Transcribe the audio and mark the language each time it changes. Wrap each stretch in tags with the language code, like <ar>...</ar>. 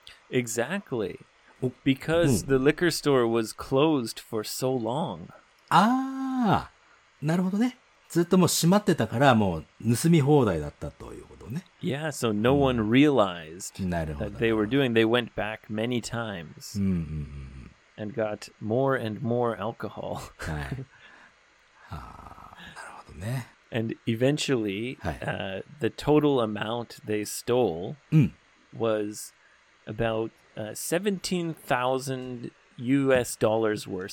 <en>Exactly. Because the liquor store was closed for so long.</en> <ja>ああ、なるほどね。ずっともう閉まってたからもう盗み放題だったということね。</ja> <en>Yeah, so no one realized that they were doing. They went back many times and got more and more alcohol.</en> <ja>はい。はあ、なるほどね。</ja> <en>And eventually,、</en> <ja>はい</ja> <en>the total amount they stole was about 17,000 US dollars worth.</en>